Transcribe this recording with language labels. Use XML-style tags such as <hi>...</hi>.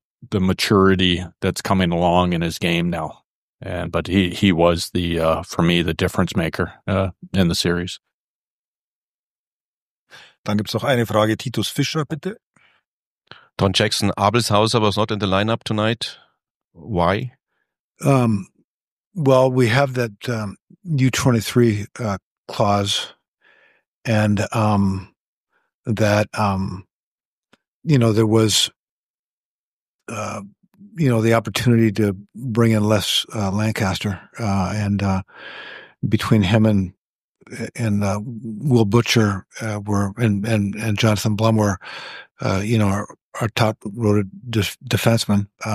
<en>the maturity that's coming along in his game now. And but he was the for me the difference maker in the series.</en> <de>Dann gibt's noch eine Frage, Titus Fischer, bitte.</de> <en>Don Jackson, Abelshauser was not in the lineup tonight. Why? Well, we have that U23 clause, and there was the opportunity to bring in Les Lancaster, between him and Will Butcher and Jonathan Blum were our top rated defensemen.</en>